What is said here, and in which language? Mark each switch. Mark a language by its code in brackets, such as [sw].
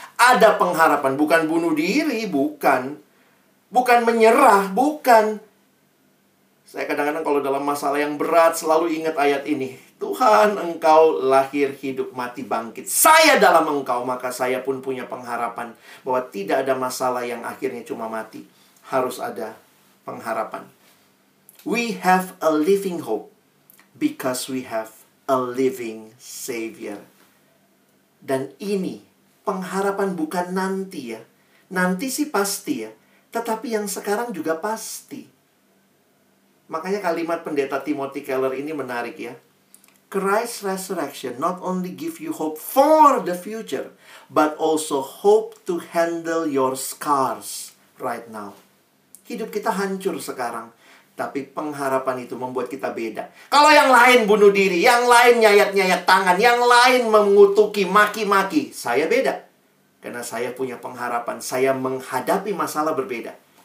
[id] Ada pengharapan, bukan bunuh diri, bukan. Bukan menyerah, bukan. Saya kadang-kadang kalau dalam masalah yang berat selalu ingat ayat ini. Tuhan, Engkau lahir, hidup, mati, bangkit. Saya dalam Engkau, maka saya pun punya pengharapan bahwa tidak ada masalah yang akhirnya cuma mati. Harus ada pengharapan. [en] We have a living hope because we have a living Savior. [id] Dan ini, pengharapan bukan nanti ya. Nanti sih pasti ya. Tetapi yang sekarang juga pasti. Makanya kalimat pendeta Timothy Keller ini menarik ya. [en] Christ's resurrection not only give you hope for the future, but also hope to handle your scars right now. [id] Hidup kita hancur sekarang, tapi pengharapan itu membuat kita beda. Kalau yang lain bunuh diri, yang lain nyayat-nyayat tangan, yang lain mengutuki, maki-maki, saya beda. Karena saya punya pengharapan, saya menghadapi masalah berbeda.